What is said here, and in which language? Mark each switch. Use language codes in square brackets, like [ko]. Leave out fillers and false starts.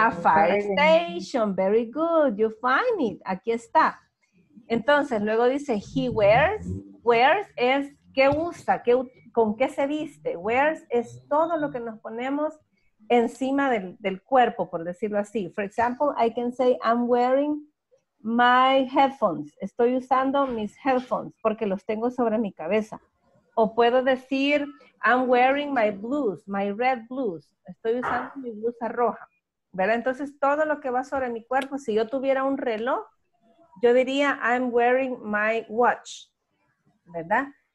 [en] A fire station, very good, you find it, [es] aquí está. Entonces luego dice [en] he wears [es] es qué usa, qué ¿con qué se viste? Wears es todo lo que nos ponemos encima del cuerpo, por decirlo así. [en] For example, I can say I'm wearing my headphones. [es] Estoy usando mis headphones porque los tengo sobre mi cabeza. O puedo decir [en] I'm wearing my blues, my red blues. [es] Estoy usando mi blusa roja. ¿Verdad? Entonces, todo lo que va sobre mi cuerpo, si yo tuviera un reloj, yo diría [en] I'm wearing my watch. [es] ¿Verdad?